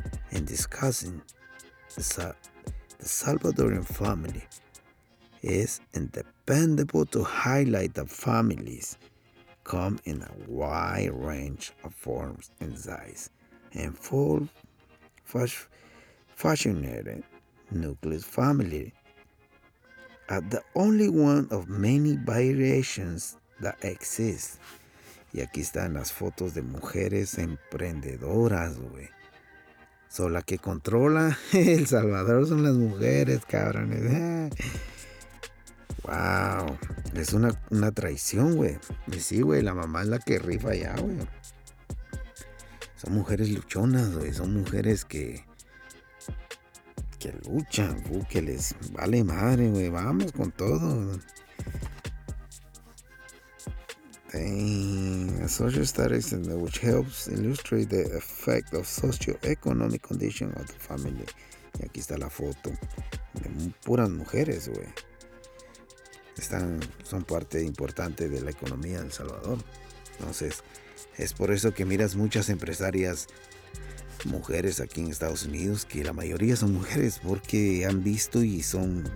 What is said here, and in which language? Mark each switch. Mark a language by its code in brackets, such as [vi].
[en] In discussing the Salvadoran family, is indispensable to highlight that families come in a wide range of forms and size, and full fashioned nucleus family are the only one of many variations that exist. [es] Y aquí están las fotos de mujeres emprendedoras, güey. So, la que controla El Salvador son las mujeres, cabrones. Wow. Es una traición, güey. Y sí, güey, la mamá es la que rifa ya, güey. Son mujeres luchonas, güey. Son mujeres que luchan, que les vale madre, güey. Vamos con todo. [en] A social status which helps illustrate the effect of socioeconomic condition of the family. [es] Y aquí está la foto de puras mujeres, güey. Son parte importante de la economía de El Salvador. Entonces, es por eso que miras muchas empresarias mujeres aquí en Estados Unidos, que la mayoría son mujeres, porque han visto y son...